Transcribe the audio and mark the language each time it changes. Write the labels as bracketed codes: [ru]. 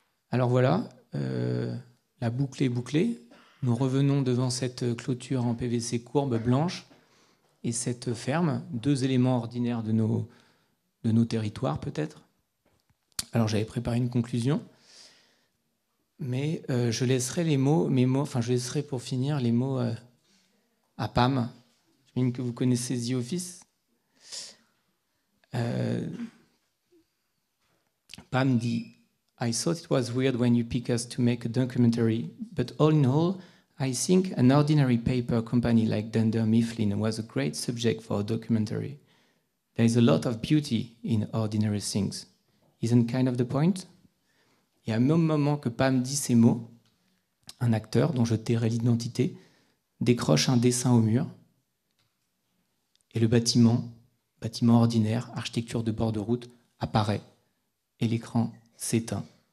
[fr] Alors voilà, la boucle est bouclée. Nous revenons devant cette clôture en PVC courbe blanche et cette ferme, deux éléments ordinaires de nos territoires peut-être. Alors j'avais préparé une conclusion, mais je laisserai pour finir les mots à Pam. J'imagine que vous connaissez The Office. Pam dit: [en] I thought it was weird when you pick us to make a documentary, but all in all, I think an ordinary paper company like Dunder Mifflin was a great subject for a documentary. There is a lot of beauty in ordinary things. Isn't kind of the point? [fr] Et au même moment que Pam dit ces mots, un acteur dont je tairai l'identité décroche un dessin au mur et le bâtiment ordinaire, architecture de bord de route, apparaît et l'écran s'éteint.